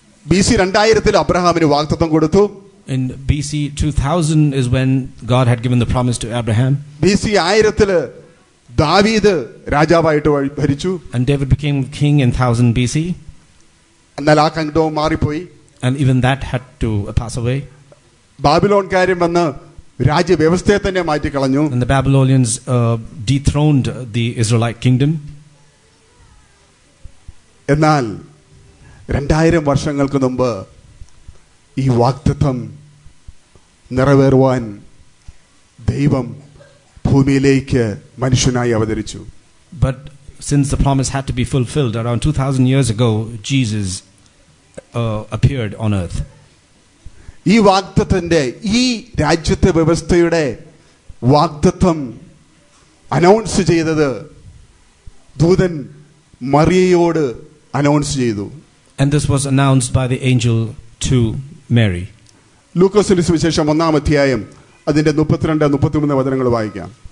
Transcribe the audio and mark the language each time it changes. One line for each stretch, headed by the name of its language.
Malayalam: BC 2000-ൽ അബ്രഹാമിന് വാഗ്ദത്തം കൊടുത്തു.
English: In BC 2000 is when God had given the promise to Abraham.
Malayalam: BC 1000-ൽ ദാവീദ് രാജാവായിട്ട് ഭരിച്ചു.
English: And David became king in 1000 BC.
Malayalam: എന്നാൽ ആ കിങ്ഡം മാറിപ്പോയി.
English: And even that had to pass away.
Malayalam: ബാബിലോൺകാരൻ വന്ന് രാജ്യവ്യവസ്ഥയെ തന്നെ മാറ്റിക്കളഞ്ഞു.
English: And the Babylonians dethroned the Israelite kingdom.
Malayalam: എന്നാൽ 2000 വർഷങ്ങൾക്ക് മുമ്പ് ഈ വാഗ്ദത്തം നിറവേറുവാൻ ദൈവം ഭൂമിയിലേക്ക് മനുഷ്യനായി അവതരിച്ചു.
English: But since the promise had to be fulfilled around 2000 years ago, Jesus appeared on earth.
Malayalam: ഈ വാഗ്ദത്തത്തിന്റെ ഈ രാജ്യത്തെ വ്യവസ്ഥയുടെ വാഗ്ദത്തം അനൗൺസ് ചെയ്തത് ദൂതൻ മറിയയോട് അനൗൺസ് ചെയ്തു.
English: And this was announced by the angel to Mary.
Malayalam: ലൂക്കോസിന്റെ സുവിശേഷം 1 അധ്യായം അതിന്റെ 32-33 വചനങ്ങൾ വായിക്കാം.